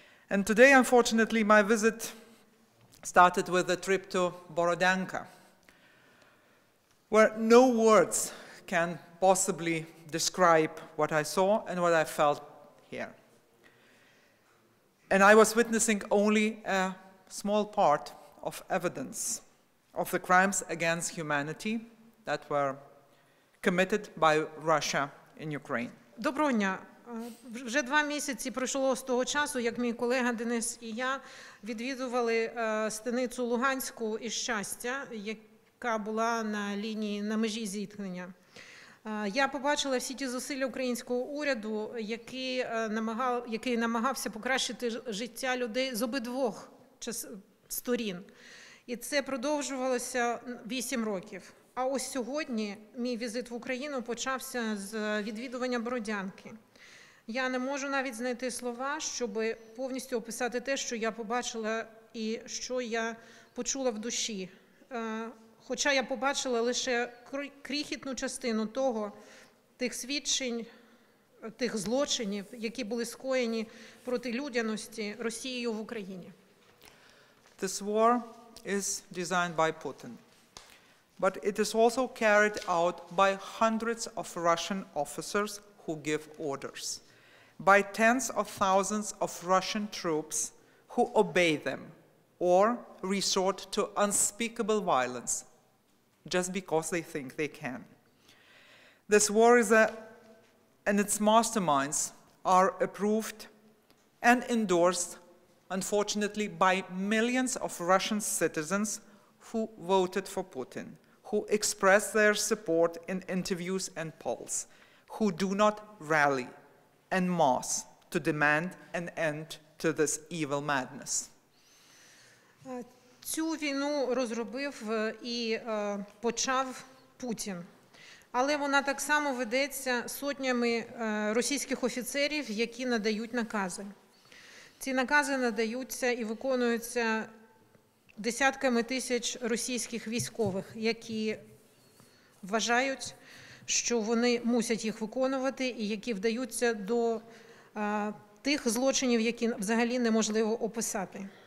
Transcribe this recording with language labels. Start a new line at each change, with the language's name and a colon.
English: And today, unfortunately, my visit started with a trip to Borodyanka, where no words can possibly describe what I saw and what I felt here. And I was witnessing only a small part of evidence of the crimes against humanity that were committed by Russia in Ukraine.
Ukrainian: Доброго дня. Вже 2 місяці пройшло з того часу, як мій колега Денис і я відвідували Станицю Луганську і Щастя, яка була на лінії на межі зіткнення. Я побачила всі ті зусилля українського уряду, який намагався покращити життя людей з обидвох сторін. І це продовжувалося 8 років. А ось сьогодні мій візит в Україну почався з відвідування Бородянки. Я не можу навіть знайти слова, щоб повністю описати те, що я побачила і що я почула в душі. Хоча я побачила лише крихітну частину того, тих свідчень, тих злочинів, які були скоєні проти людяності Росією в Україні.
English: This war is designed by Putin, but it is also carried out by hundreds of Russian officers who give orders, by tens of thousands of Russian troops who obey them or resort to unspeakable violence just because they think they can. This war is and its masterminds are approved and endorsed, unfortunately, by millions of Russian citizens who voted for Putin, who express their support in interviews and polls, who do not rally and mass to demand an end to this evil madness.
Ukrainian: Цю війну розробив і почав Путін. Але вона так само ведеться сотнями російських офіцерів, які надають накази. Ці накази надаються і виконуються десятками тисяч російських військових, які вважають, що вони мусять їх виконувати і які вдаються до тих злочинів, які взагалі неможливо описати.